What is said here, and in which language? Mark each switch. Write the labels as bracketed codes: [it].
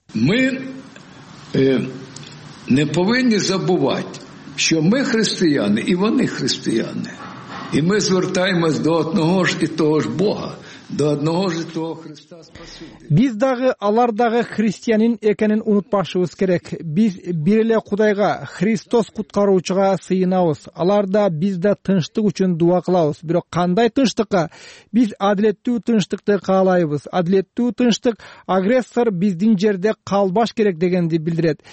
[uk] Мы не повинні забувати, що ми християни і вони християни. И мы звертаемся до одного ж и того ж Бога, до одного ж и того Христа Спасителя. [ky] Биз дагы, алар дагы христианин экенин унутпашыбыз керек. Биз бир эле Кудайга, Христос куткаруучуга сыйынабыз. Алар да, биз да тынчтык үчүн дуа кылабыз. Бирок кандай тынчтыкка? Биз адилеттүү тынчтыкты каалайбыз. Адилеттүү тынчтык агрессор биздин жерде калбаш керек дегенди билдирет.